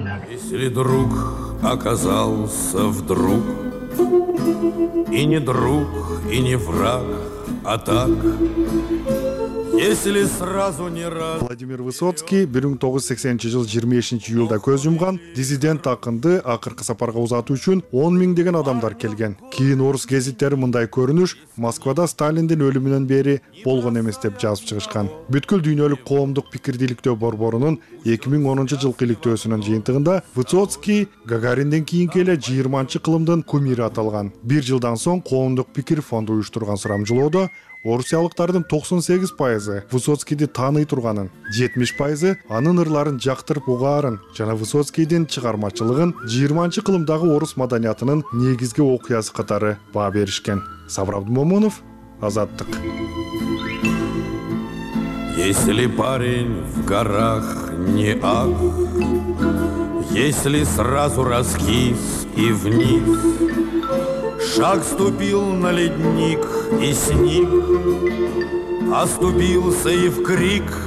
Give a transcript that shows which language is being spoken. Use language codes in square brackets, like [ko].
[ru] Если друг оказался вдруг и не друг, и не враг, а так. Если сразу не раз. [ky] Владимир Высоцкий 1980 жыл 25 июлда көз жумган диссидент акынды акыркы сапарга узатуу үчүн 10 000 деген адамдар келген. Кийин орус гезиттери мындай көрүнүш Москвада Сталиндин өлүмүнөн бери болгон эмес деп жазып чыгышкан. Бүткүл дүйнөлүк коомдук пикирди иликтөө борборунун 2010 жылкы иликтөөсүнүн жыйынтыгында Высоцкий Гагариндин кийинки эле 20-чы кылымдын кумири аталган. Бир жылдан соң коомдук пикир фонду уюштурган сурамжылоодо орусиялыктардын 98% Высоцкийди тааный турганын, 70% анын ырларын жактырып угаарын жана Высоцкийдин чыгармачылыгын 20-чы кылымдагы орус маданиятынын негизги окуясы катары баа беришкен. Сабыр Абдымомунов, Азаттык. [ru] Если парень в горах не ах, если сразу раскис и вниз, шаг ступил на ледник и сник, оступился и в крик.